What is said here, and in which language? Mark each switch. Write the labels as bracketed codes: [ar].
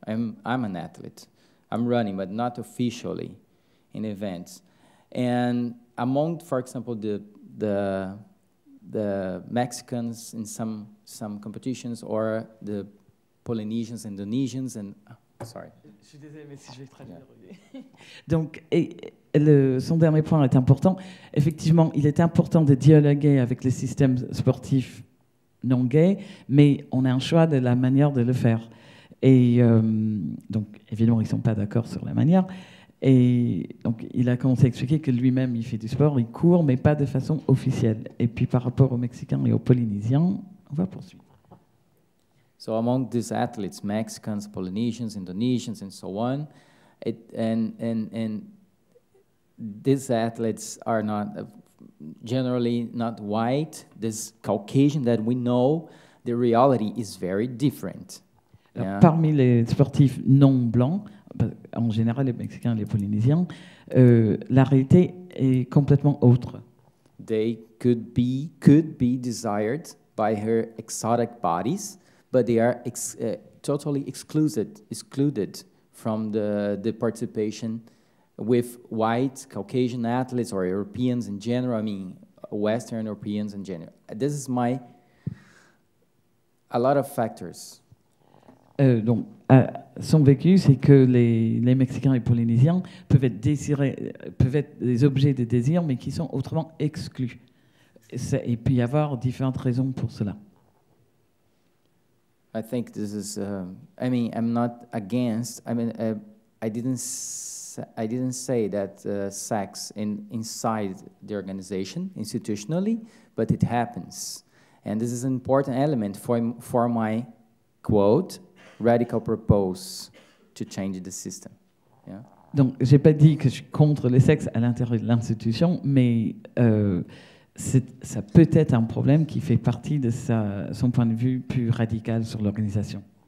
[en] I'm an athlete. I'm running, but not officially in events. And among, for example, the Mexicans in some competitions or the Polynésiens, Indonésiens, and sorry. [fr] Je suis désolée, mais si je vais traduire. Donc, son dernier point est important. Effectivement, il est important de dialoguer avec le système sportif non gay, mais on a un choix de la manière de le faire. Et donc, évidemment, ils ne sont pas d'accord sur la manière. Et donc, il a commencé à expliquer que lui-même, il fait du sport, il court, mais pas de façon officielle. Et puis, par rapport aux Mexicains et aux Polynésiens, on va poursuivre. [en] So among these athletes, Mexicans, Polynesians, Indonesians, and so on, and these athletes are not generally not white. This Caucasian that we know, the reality is very different. [fr] Parmi les sportifs non blancs, en général les Mexicains, les Polynésiens, la réalité est complètement autre. [en] They could be desired by her exotic bodies, but they are totally excluded from the participation with white Caucasian athletes or Europeans in general. I mean, Western Europeans in general. This is my a lot of factors. [fr] Donc, son vécu, c'est que les Mexicains et les Polynésiens peuvent être des objets de désir, mais qui sont autrement exclus. Il peut y avoir différentes raisons pour cela. [en] I think this is. I mean, I'm not against. I mean, I didn't say that sex inside the organization institutionally, but it happens, and this is an important element for my quote. Radical propose to change the system. Yeah. [fr] Donc, j'ai pas dit que je suis contre le sexe à l'intérieur de l'institution, mais ça peut être un problème qui fait partie de son point de vue plus radical sur l'organisation.